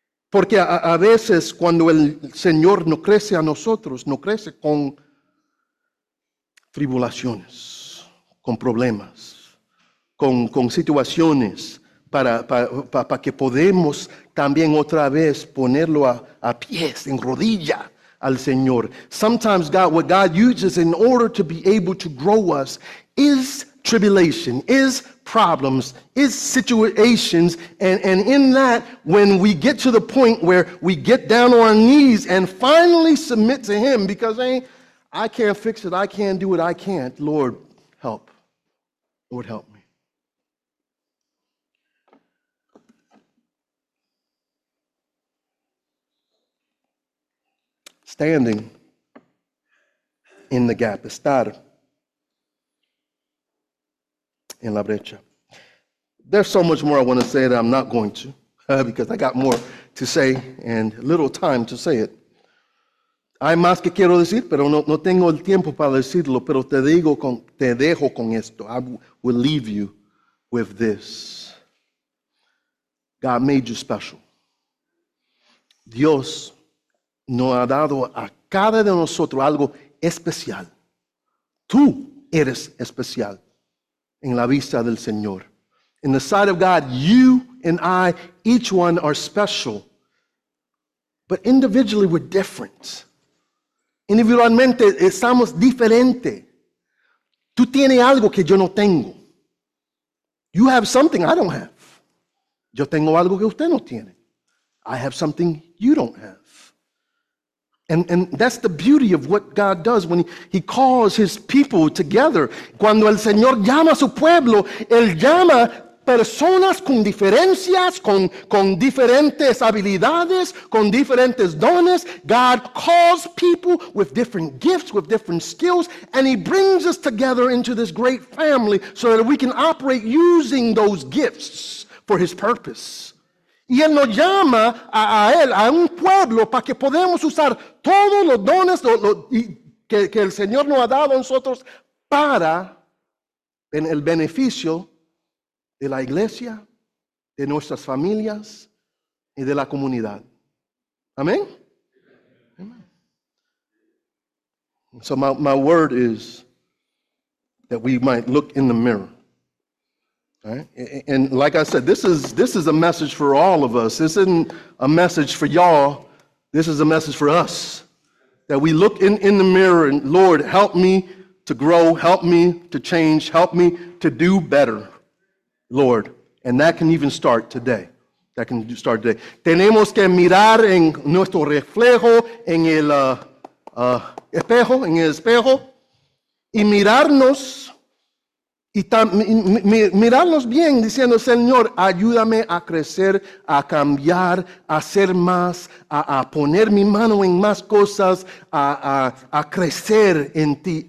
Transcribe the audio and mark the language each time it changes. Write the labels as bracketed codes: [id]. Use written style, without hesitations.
[es] Porque a veces cuando el Señor no crece a nosotros, no crece con tribulaciones, con problemas, con situaciones para que podamos también otra vez ponerlo a pies, en rodilla al Señor. [en] Sometimes God, what God uses in order to be able to grow us is tribulation, is problems, is situations, and in that, when we get to the point where we get down on our knees and finally submit to Him, because I can't fix it, I can't do it, I can't, Lord, help. Lord, help me. Standing in the gap, [es] estar en la brecha. [en] There's so much more I want to say that I'm not going to, because I got more to say and little time to say it. [es] Hay más que quiero decir, pero no tengo el tiempo para decirlo, pero te dejo con esto. [en] I will leave you with this. God made you special. [es] Dios nos ha dado a cada de nosotros algo especial. Tú eres especial en la vista del Señor. [en] In the sight of God, you and I, each one are special. But individually, we're different. [es] Individualmente estamos diferente. Tú tienes algo que yo no tengo. [en] You have something I don't have. [es] Yo tengo algo que usted no tiene. [en] I have something you don't have. And that's the beauty of what God does when he calls his people together. [es] Cuando el Señor llama a su pueblo, él llama personas con diferencias, con diferentes habilidades, con diferentes dones. [en] God calls people with different gifts, with different skills, and he brings us together into this great family so that we can operate using those gifts for his purpose. [es] Y él nos llama a él, a un pueblo, para que podamos usar todos los dones que el Señor nos ha dado a nosotros para en el beneficio de la iglesia, de nuestras familias, y de la comunidad. Amén. [en] So my word is that we might look in the mirror. Right? And like I said, this is a message for all of us. This isn't a message for y'all. This is a message for us. That we look in the mirror and, Lord, help me to grow, help me to change, help me to do better. Lord, and that can even start today. That can start today. [es] Tenemos que mirar en nuestro reflejo, en el espejo, en el espejo, y mirarnos, mirarnos bien, diciendo, Señor, ayúdame a crecer, a cambiar, a ser más, a poner mi mano en más cosas, a crecer en ti.